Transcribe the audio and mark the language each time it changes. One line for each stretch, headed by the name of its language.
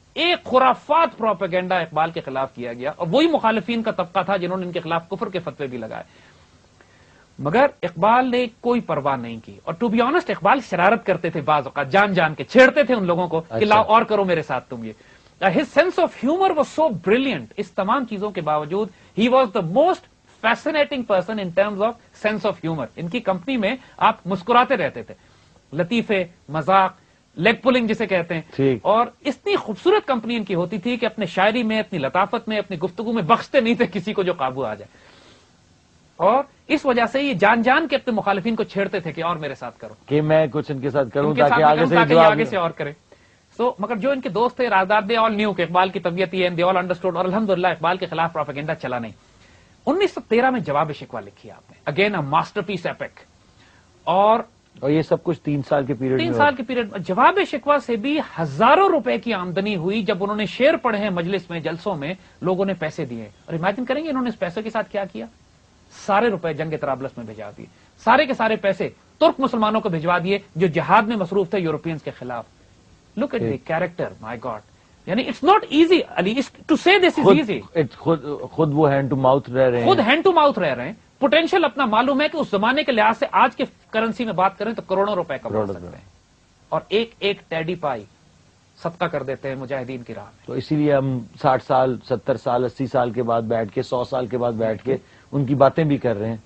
Urdu: ایک خرافات پروپیگنڈا اقبال کے خلاف کیا گیا اور وہی مخالفین کا طبقہ تھا جنہوں نے ان کے خلاف کفر کے فتوے بھی لگائے, مگر اقبال نے کوئی پرواہ نہیں کی. اور
English: to be honest
Urdu: اقبال شرارت کرتے تھے بعض اوقات, جان جان کے چھیڑتے تھے ان لوگوں کو کہ لاؤ اور کرو میرے ساتھ تم یہ.
English: His sense of humor was so brilliant.
Urdu: اس تمام چیزوں کے باوجود
English: he was the most fascinating person in terms of sense of humor.
Urdu: ان کی کمپنی میں آپ مسکراتے رہتے تھے, لطیفے, مذاق, لیگ پولنگ جسے کہتے ہیں, اور اتنی خوبصورت کمپنی ان کی ہوتی تھی کہ اپنے شاعری میں, اپنی لطافت میں, اپنی گفتگو میں بخشتے نہیں تھے کسی کو جو قابو آ جائے. اور اس وجہ سے یہ جان جان کے اپنے مخالفین کو چھیڑتے تھے کہ اور میرے ساتھ کرو, کہ میں کچھ ان کے ساتھ کروں تاکہ آگے سے اور کرے. سو مگر جو ان کے دوست تھے رازدار,
English: they all knew
Urdu: کہ اقبال کی طبیعت یہ,
English: they all understood,
Urdu: اور الحمدللہ اقبال کے خلاف پروپیگنڈا چلا نہیں. 1913 میں جواب شکوہ لکھی آپ نے,
English: again a masterpiece epic,
Urdu: اور یہ سب کچھ تین سال کے پیریڈ. جواب شکوہ سے بھی ہزاروں روپے کی آمدنی ہوئی جب انہوں نے شعر پڑھے ہیں مجلس میں, جلسوں میں لوگوں نے پیسے دیے. اور امیجن کریں گے انہوں نے اس پیسے کے ساتھ کیا کیا, سارے روپے جنگ ترابلس میں بھیجا دیے, سارے کے سارے پیسے ترک مسلمانوں کو بھیجوا دیے جو جہاد میں مصروف تھے یورپینز کے خلاف.
English: Look at the character, my God. یعنی it's not easy, Ali. To say this is easy.
Urdu: خود وہ ہینڈ ٹو ماؤتھ رہ رہے ہیں. پوٹینشیل اپنا معلوم ہے کہ اس زمانے کے لحاظ سے آج کے کرنسی میں بات کریں تو کروڑوں روپے کما سکتے ہیں, اور ایک ٹیڈی پائی صدقہ کر دیتے ہیں مجاہدین کی راہ. تو اسی لیے ہم 60 سال 70 سال 80 سال کے بعد بیٹھ کے, 100 سال کے بعد بیٹھ کے ان کی باتیں بھی کر رہے ہیں.